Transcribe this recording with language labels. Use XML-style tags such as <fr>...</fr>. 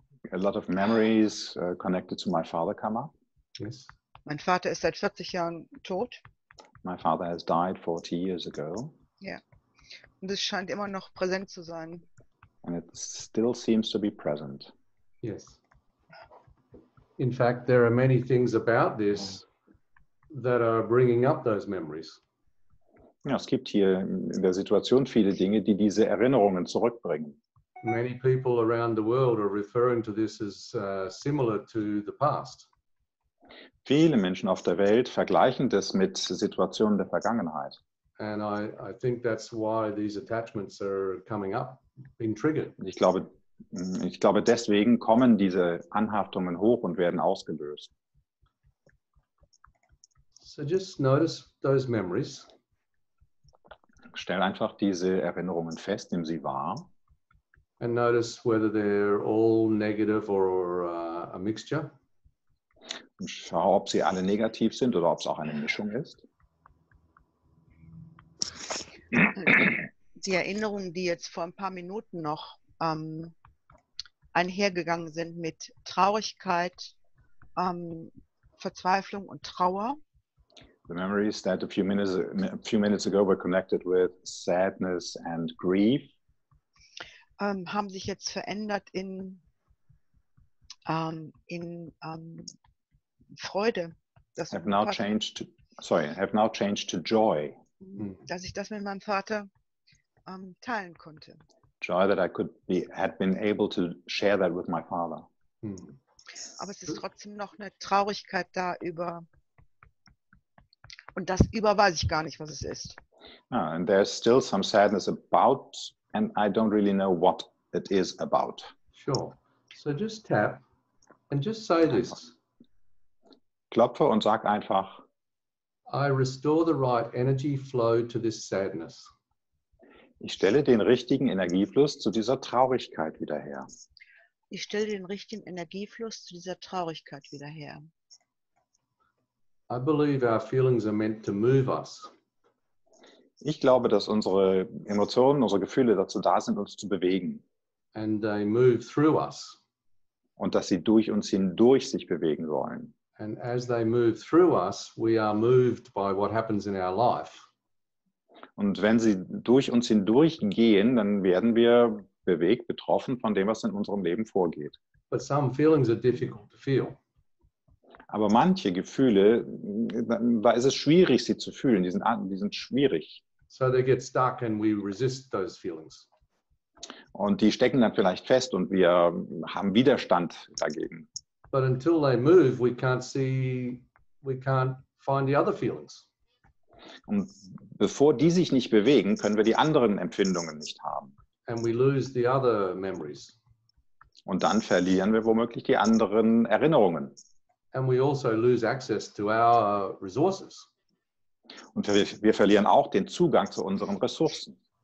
<en>A lot of memories connected to my father come up. Yes.</en> <de>Mein Vater ist seit 40 Jahren tot.</de> <en>My father has died 40 years ago.</en> <de>Ja.</de> <en>Yeah.</en> <de>Und es scheint immer noch präsent zu sein.</de> <en>And it still seems to be present. Yes. In fact, there are many things about this that are bringing up those memories.</en> <de>Ja, es gibt hier in der Situation viele Dinge, die diese Erinnerungen zurückbringen.</de> <en>Many people around the world are referring to this as similar to the past.</en> <de>Viele Menschen auf der Welt vergleichen das mit Situationen der Vergangenheit.</de> <en>And I think that's why these attachments are coming up, being triggered.</en> <de>Ich glaube, deswegen kommen diese Anhaftungen hoch und werden ausgelöst.</de> <en>So just notice those memories.</en> <de>Stell einfach diese Erinnerungen fest, nimm sie wahr.</de> <en>And notice whether they're all negative or a mixture.</en> <de>Und schau, ob sie alle negativ sind oder ob es auch eine Mischung ist. Die Erinnerungen, die jetzt vor ein paar Minuten noch einhergegangen sind mit Traurigkeit, Verzweiflung und Trauer.</de> <en>The memories that a few minutes ago were connected with sadness and grief.</en> <de>Haben sich jetzt verändert in Freude.</de> <en>Have now changed to joy.</en> <de>Dass ich das mit meinem Vater teilen konnte.</de> <en>Joy that I had been able to share that with my father.</en> <de>Aber es ist trotzdem noch eine Traurigkeit da über, und das über weiß ich gar nicht, was es ist.</de> <en>And there's still some sadness about, and I don't really know what it is about. Sure. So just tap and just say this.</en> <de>Klopfe und sag einfach,</de> <en>I restore the right energy flow to this sadness.</en> <de>Ich stelle den richtigen Energiefluss zu dieser Traurigkeit wieder her. Ich stelle den richtigen Energiefluss zu dieser Traurigkeit wieder her.</de> <en>I believe our feelings are meant to move us.</en> <de>Ich glaube, dass unsere Emotionen, unsere Gefühle dazu da sind, uns zu bewegen.</de> <en>And they move through us.</en> <de>Und dass sie durch uns hindurch sich bewegen wollen.</de> <en>And as they move through us, we are moved by what happens in our life.</en> <de>Und wenn sie durch uns hindurch gehen, dann werden wir bewegt, betroffen von dem, was in unserem Leben vorgeht.</de> <en>But some feelings are difficult to feel.</en> <de>Aber manche Gefühle, da ist es schwierig, sie zu fühlen. Die sind schwierig.</de> <en>So they get stuck and we resist those feelings.</en> <de>Und die stecken dann vielleicht fest und wir haben Widerstand dagegen.</de> <en>But until they move, we can't find the other feelings.</en> <de>Und bevor die sich nicht bewegen, können wir die anderen Empfindungen nicht haben.</de> <en>And we lose the other memories.</en> <de>Und dann verlieren wir womöglich die anderen Erinnerungen.</de> <en>And we also lose access to our resources.</en> <de>Und wir verlieren auch den Zugang zu unseren Ressourcen.</de>